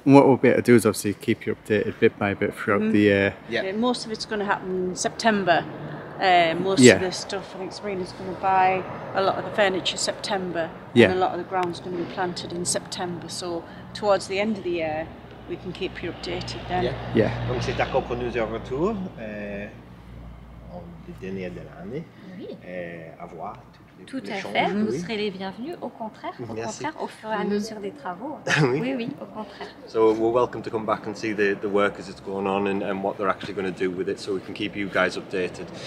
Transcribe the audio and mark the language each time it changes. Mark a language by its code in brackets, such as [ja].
[en] And what we'll be able to do is obviously keep you updated bit by bit throughout the year. Yeah. Most of it's going to happen in September. Most of the stuff, I think Sabrina's going to buy a lot of the furniture September. Yeah. And a lot of the ground's going to be planted in September. So towards the end of the year, we can keep you updated then. Yeah. Yeah. [fr] Donc c'est d'accord pour nous avoir tout, en dernier de l'année. Oui. À voir. Tout à fait, vous serez les bienvenus, au contraire, au fur et à mesure des travaux. Oui, au contraire. [en] So we're welcome to come back and see the work as it's going on and what they're actually going to do with it, so we can keep you guys updated.